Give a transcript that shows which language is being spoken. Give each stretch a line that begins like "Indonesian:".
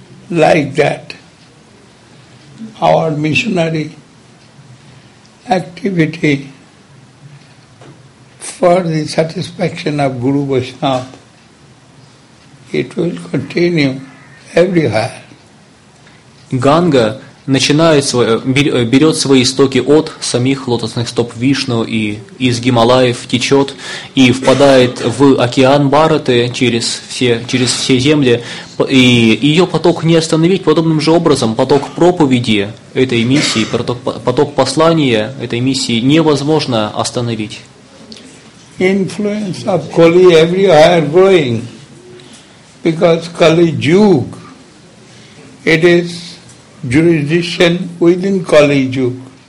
English: Like that, our missionary activity for the satisfaction of Guru Vaishnava. It will continue everywhere.
Russian: Ганга начинает берет свои истоки от самих лотосных стоп Вишну и из Гималаев течет и впадает в океан Бхараты через все земли, и ее поток не остановить. Подобным же образом поток проповеди этой миссии, поток послания этой миссии невозможно остановить.
English: Influence of Kali everywhere growing. Because Kali Yuga, it is jurisdiction within Kali Yuga.